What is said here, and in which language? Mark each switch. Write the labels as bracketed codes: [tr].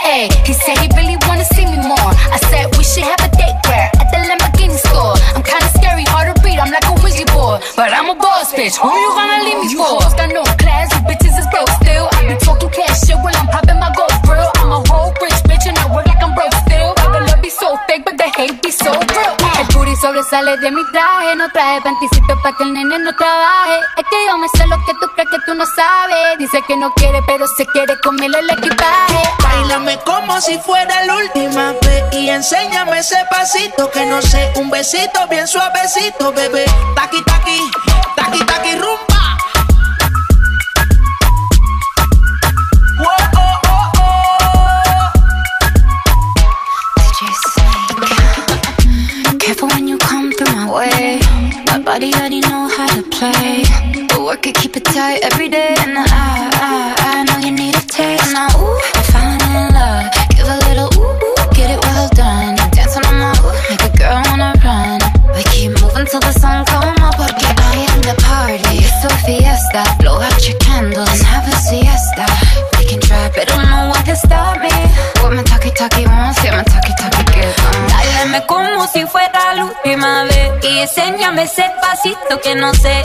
[en] Ayy, he said he really wanna see me more. I said we should have a date where at the Lamborghini store. I'm kinda scary, hard to read, I'm like a wizard boy. But I'm a boss, bitch, who you gonna leave me for? You hoes got no class, you bitches is broke still. I be talking cash shit while I'm popping my gold grill. I'm a whole rich bitch and I work like I'm broke still. The love be so fake, but the hate be so real. [es] Sobresale de mi traje. No traje panticito pa' que el nene no trabaje. Es que yo me sé lo que tú crees que tú no sabes. Dice que no quiere, pero se quiere comerle el equipaje. Báilame como si fuera la última vez. Y enséñame ese pasito que no sé. Un besito bien suavecito, bebé. Taki, taki, taki, taki, rumba. [en] My body already know how to play. But work it, keep it tight every day. And I know you need a taste. Now, ooh, I'm falling in love. Give a little ooh, ooh, get it well done. Dance on my ooh, make a girl wanna run. We keep moving till the sun come up. [es] Porque [en] I am the party. It's a fiesta. Blow out your candles and have a siesta. We can try, but don't know what can stop me. What my talkie talkie wants, get my talkie talkie give them. [es] Báilame como si fuera la última vez. Y enséñame ese pasito que no sé.